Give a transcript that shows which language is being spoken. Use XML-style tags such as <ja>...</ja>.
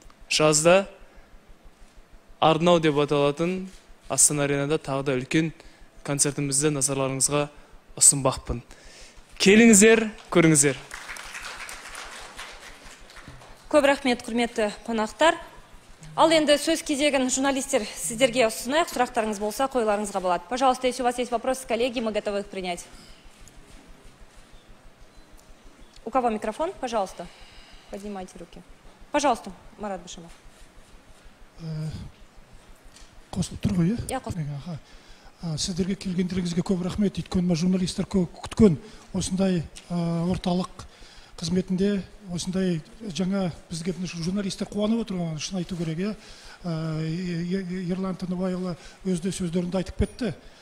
<kk>жазда арнау деп аталатын Астана аренада тағы да үлкен концертімізді назарларыңызға ұсынбақпын. Келіңіздер, көріңіздер. Көп рахмет, құрметті қонақтар. Ал енді сөз кезегін журналистер сіздерге ұсынайық, сұрақтарыңыз болса, қойларыңызға болады.</kk> <ru>Пожалуйста, если у вас есть вопросы, коллеги, мы готовы их принять. У кого микрофон? Пожалуйста, поднимайте руки. Пожалуйста, Марат Башимов.</ru> <kk>Қосылып тұр ғой, иә? Иә, қосылып. Аха. Сіздерге келгендеріңізге көп рахмет. Өйткені мына журналистер көп күткен осындай орталық қызметінде осындай жаңа бізге журналистер қуанып отыр, оны шын айту керек, иә. Ерлан Тыныбайұлы өз де сөздерінде айтып кетті.</kk>